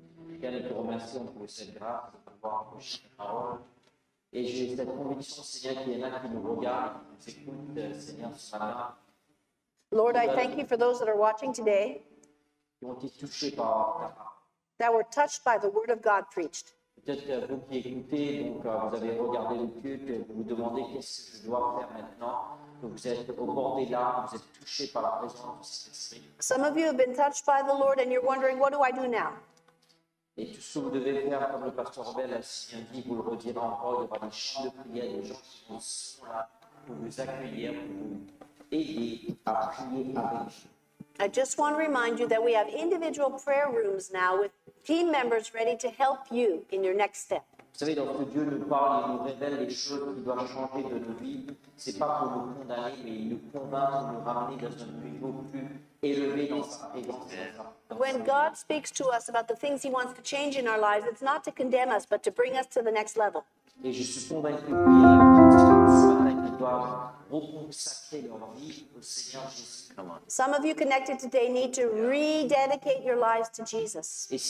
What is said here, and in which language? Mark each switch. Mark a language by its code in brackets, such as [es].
[fr] Je viens de te remercier pour cette grâce de pouvoir approcher ta parole. Et j'ai cette conviction, Seigneur, qu'il y en a qui nous regardent, qui nous écoutent, Seigneur, ce soir. [en] Lord, I thank you for those that are watching today. [fr] Qui ont été touchés par ta parole. [en] That were touched by the word of God preached. [fr] Peut-être que vous qui écoutez, donc vous avez regardé le culte, vous vous demandez qu'est-ce que je dois faire maintenant. Vous êtes au bord des larmes, vous êtes touchés par la présence de Saint-Esprit. [en] Some of you have been touched by the Lord and you're wondering, what do I do now? [fr] Et tout ce que vous devez faire, comme le pasteur Bell a si bien dit, vous le redirez encore, il y aura des chants de prière, des gens qui sont là pour vous accueillir, pour vous aider à prier avec vous. [en] I just want to remind you that we have individual prayer rooms now with team members ready to help you in your next step. [fr] Vous savez, lorsque Dieu nous parle, il nous révèle les choses qui doivent changer de nos vies. Ce n'est pas pour nous condamner, mais il nous convainc de nous ramener dans un niveau plus élevé dans sa présence. [en] When God speaks to us about the things he wants to change in our lives, it's not to condemn us, but to bring us to the next level. [fr] Et je suis convaincu qu'il y a des gens qui doivent reconsacrer leur vie au Seigneur Jésus. [en] Some of you connected today need to rededicate your lives to Jesus.